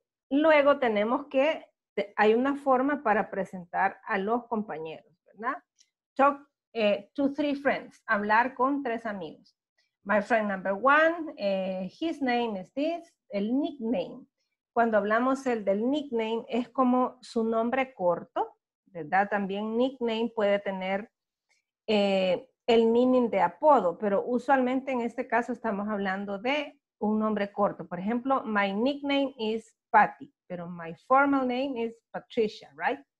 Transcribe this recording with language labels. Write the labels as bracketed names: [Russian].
[Spanish] Luego tenemos que, hay una forma para presentar a los compañeros, ¿verdad? [English] Talk to three friends, [Spanish] hablar con tres amigos. [English] My friend number one, his name is this, el nickname. [Spanish] Cuando hablamos del nickname, es como su nombre corto, ¿verdad? También nickname puede tener el meaning de apodo, pero usualmente en este caso estamos hablando de un nombre corto. Por ejemplo, [English] my nickname is Patty, [Spanish] pero [English] my formal name is Patricia, [Spanish] right?